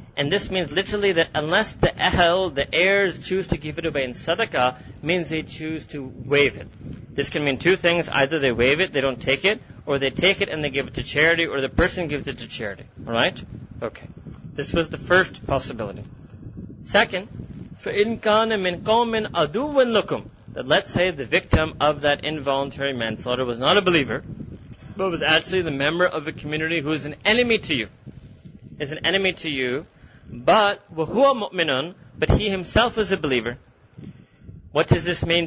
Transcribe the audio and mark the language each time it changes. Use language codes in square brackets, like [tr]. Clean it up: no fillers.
[en] And this means literally that unless the ahl, the heirs, choose to give it away in sadaqah, means they choose to waive it. This can mean two things. Either they waive it, they don't take it, or they take it and they give it to charity, or the person gives it to charity. Alright? Okay. This was the first possibility. Second, [ar] فَإِنْ كَانَ مِنْ قَوْمٍ أَدُوٍ لَكُمْ. [en] That let's say the victim of that involuntary manslaughter was not a believer, but was actually the member of a community who is an enemy to you. Is an enemy to you, but [ar] وَهُوَ مُؤْمِنٌ. [en] But he himself is a believer. What does this mean?